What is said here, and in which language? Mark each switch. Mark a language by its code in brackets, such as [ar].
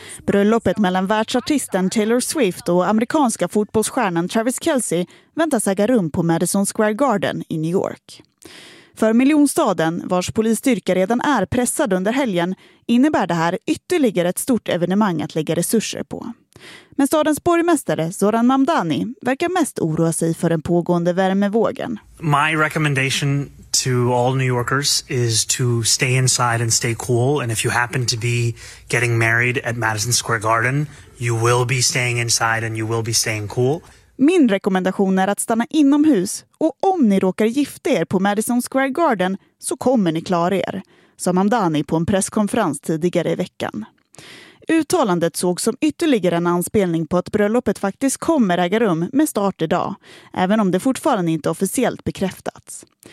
[sv] Bröllopet mellan världsartisten Taylor Swift och amerikanska fotbollsstjärnan Travis Kelce väntas äga rum på Madison Square Garden i New York. För miljonstaden, vars polisstyrka redan är pressad under helgen, innebär det här ytterligare ett stort evenemang att lägga resurser på. Men stadens borgmästare Zoran Mamdani verkar mest oroa sig för den pågående värmevågen. [en] My recommendation to all New Yorkers is to stay inside and stay cool, and if you happen to be getting married at Madison Square Garden, you will be staying inside and you will be staying cool. [sv] Min rekommendation är att stanna inomhus, och om ni råkar gifta er på Madison Square Garden så kommer ni klara er, sa Mamdani på en presskonferens tidigare i veckan. Uttalandet såg som ytterligare en anspelning på att bröllopet faktiskt kommer äga rum med start idag, även om det fortfarande inte officiellt bekräftats.